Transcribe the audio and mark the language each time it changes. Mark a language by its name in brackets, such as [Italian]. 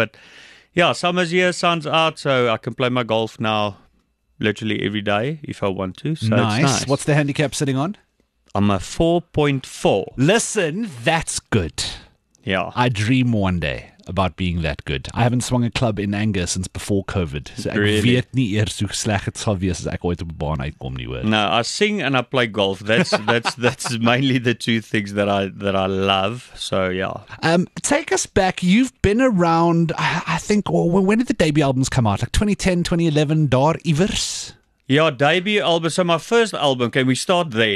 [English] But yeah, summer's here, sun's out, so I can play my golf now literally every day if I want to. So nice. It's nice. What's the handicap sitting on? I'm a 4.4. Listen, that's good. Yeah. I dream one day about being that good. I haven't swung a club in anger since before COVID. So really? [Afrikaans] Ek weet nie eers hoe sleg het sal wees as ek ooit op 'n baan uitkom nie hoor. [English] No, I sing and I play golf. That's mainly the two things that I love. So yeah. Take us back. You've been around, I think, when did the debut albums come out? Like 2010, 2011, [Afrikaans] daar iewers? [English] Yeah, debut album. So my first album, can we start there?